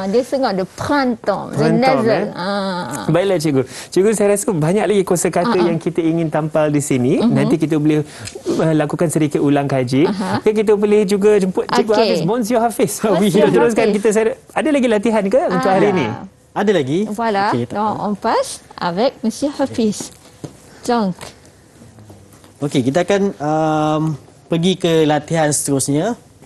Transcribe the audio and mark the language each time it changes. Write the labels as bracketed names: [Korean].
[Malay] Dia sengok [French] le printemps. Printemps, eh? [Malay] Baiklah, cikgu. Cikgu, saya rasa banyak lagi kosa kata yang kita ingin tampal di sini. Nanti kita boleh lakukan sedikit ulang kaji. Okay, kita boleh juga jemput cikgu Hafiz. [French] Bonjour Hafiz. Bonjour [Malay] teruskan kita. Ada lagi latihan ke untuk hari ini? Ada lagi. [French] Voilà. Okay, on passe avec Monsieur Hafiz. Donc. [Malay] Okay, kita akan pergi ke latihan seterusnya.